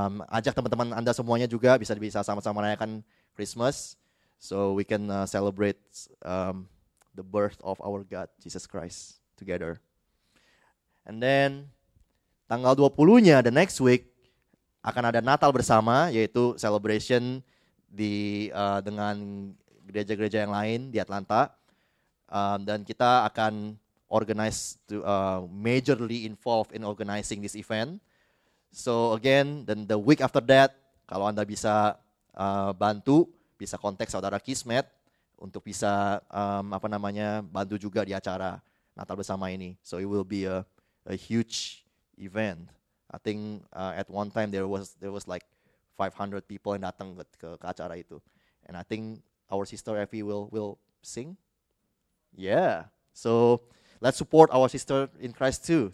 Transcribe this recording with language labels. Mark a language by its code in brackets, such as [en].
[id] Ajak teman-teman Anda semuanya juga bisa sama-sama merayakan Christmas [en] so we can celebrate the birth of our God Jesus Christ together. And then [id] tanggal 20-nya [en] the next week [id] akan ada Natal bersama yaitu celebration di dengan gereja-gereja yang lain di Atlanta. Dan kita akan [en] organize to majorly involved in organizing this event. So again, then the week after that, [id] kalau Anda bisa bantu, bisa kontak saudara Kismet untuk bisa bantu juga di acara Natal bersama ini. [en] So it will be a huge event. I think at one time there was like 500 people [id] yang datang ke acara itu. [en] And I think our sister Effie will sing. Yeah, so let's support our sister in Christ too.